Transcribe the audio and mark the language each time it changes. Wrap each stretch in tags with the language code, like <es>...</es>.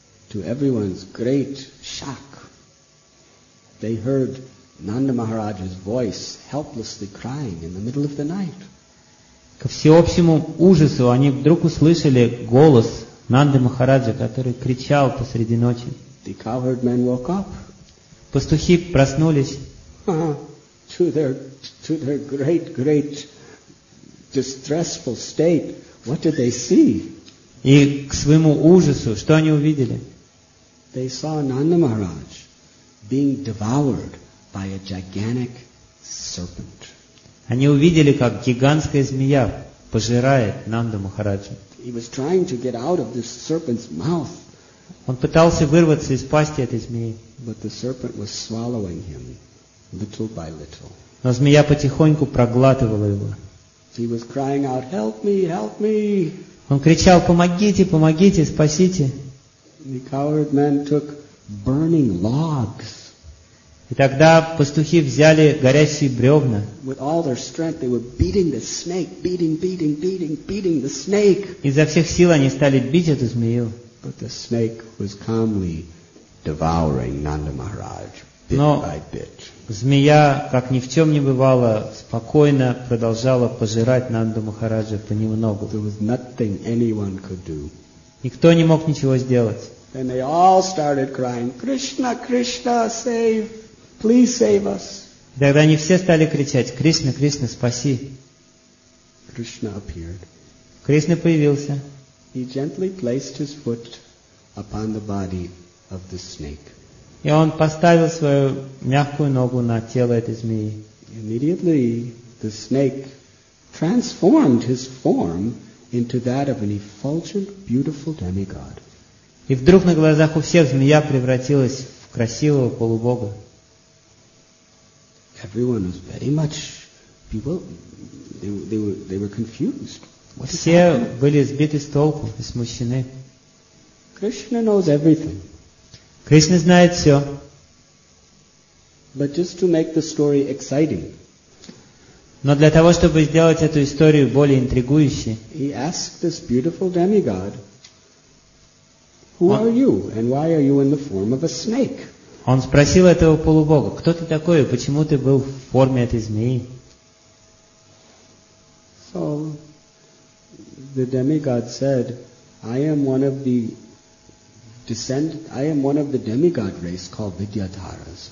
<en>To everyone's great shock, they heard Nanda Maharaj's voice helplessly crying in the middle of the night.</en> <ru>Ко всеобщему ужасу они вдруг услышали голос Нанды Махараджа, который кричал посреди ночи.</ru> <en>The cowherd men woke up.</en> <ru>Пастухи проснулись.</ru> <en>To their great, great distressful state. What did they see?</en> <ru>И к своему ужасу, что они увидели?</ru> <en>They saw Nanda Maharaj being devoured by a gigantic serpent.</en> <ru>Они увидели, как гигантская змея пожирает Нанду Махараджа.</ru> <en>He was trying to get out of this serpent's mouth.</en> <ru>Он пытался вырваться из пасти этой змеи.</ru> <en>But the serpent was swallowing him little by little.</en> <ru>Но змея потихоньку проглатывала его.</ru> <en>He was crying out, "Help me, help me!"</en> <ru>Он кричал, помогите, помогите, спасите.</ru> <en>The coward man took burning logs.</en> <ru>И тогда пастухи взяли горящие бревна.</ru> <en>With all their strength, they were beating the snake, beating, beating, beating, beating the snake.</en> <ru>Изо всех сил они стали бить эту змею.</ru> <en>But the snake was calmly devouring Nanda Maharaj, bit by bit.</en> <ru>Но змея, как ни в чем не бывало, спокойно продолжала пожирать Нанду Махараджа понемногу.</ru> <en>There was nothing anyone could do.</en> <ru>Никто не мог ничего сделать.</ru> <en>Then they all started crying, Krishna, Krishna, save! Please save us.</en> <ru>Тогда они все стали кричать, Кришна, Кришна, спаси.</ru> <en>Krishna appeared.</en> <ru>Кришна появился.</ru> <en>He gently placed his foot upon the body of the snake.</en> <ru>И он поставил свою мягкую ногу на тело этой змеи.</ru> <en>Immediately the snake transformed his form into that of an effulgent, beautiful demigod.</en> <ru>И вдруг на глазах у всех змея превратилась в красивого полубога.</ru> <en>everyone was very much bewildered. They were confused.</en> <ru>Все были сбиты с толку и смущены.</ru> <en>Krishna knows everything.</en> <ru>Кришна знает все.</ru> <en>But just to make the story exciting.</en> <ru>Но для того, чтобы сделать эту историю более интригующей,</ru> <en>he asked this beautiful demigod, "Who are you, and why are you in the form of a snake?"</en> <ru>Он спросил этого полубога, кто ты такой и почему ты был в форме этой змеи?</ru> <en>So the demigod said, I am one of the demigod race called Vidyadharas.</en>